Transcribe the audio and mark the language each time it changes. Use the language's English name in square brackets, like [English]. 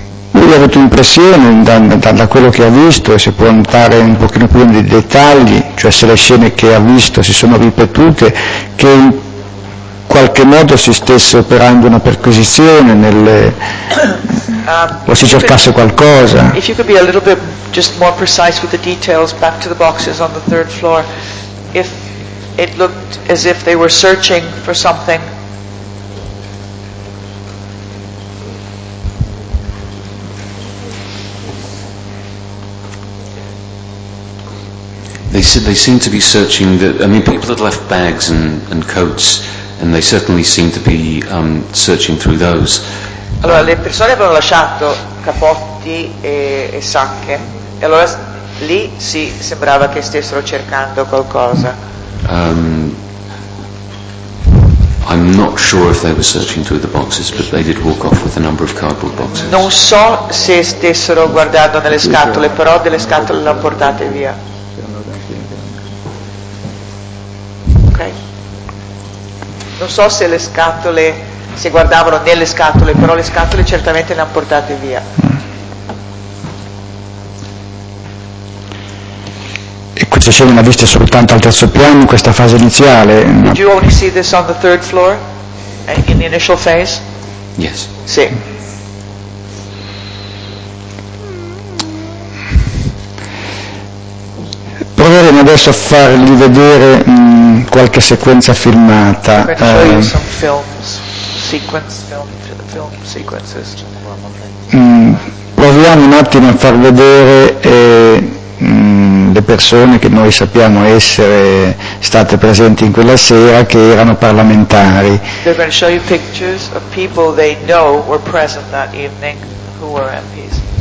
[Italian] Lui ha avuto impressione, da quello che ha visto, e si può notare un pochino più nei dettagli, cioè se le scene che ha visto si sono ripetute, che in qualche modo si stesse operando una perquisizione nelle, o si cercasse qualcosa. [English] If you could be a little bit just more precise with the details, back to the boxes on the third floor, if it looked as if they were searching for something. They seem to be searching. I mean, people had left bags and coats, and they certainly seem to be searching through those. [Italian] Allora, le persone avevano lasciato cappotti e sacche, e allora lì sì, sembrava che stessero cercando qualcosa. [English] I'm not sure if they were searching through the boxes, but they did walk off with a number of cardboard boxes. [Italian] Non so se stessero guardando nelle scatole, però delle scatole le hanno portate via. Non so se le scatole, se guardavano nelle scatole, però le scatole certamente le hanno portate via. E questa scena l'ha vista soltanto al terzo piano, in questa fase iniziale? [English] Did you only see this on the third floor, in the initial phase? Yes. [Italian] Sì. Proveremo adesso a fargli vedere qualche sequenza filmata. Proviamo un attimo a far vedere le persone che noi sappiamo essere state presenti in quella sera, che erano parlamentari. [English] They're going to show you pictures of people they know were present that evening who were MPs.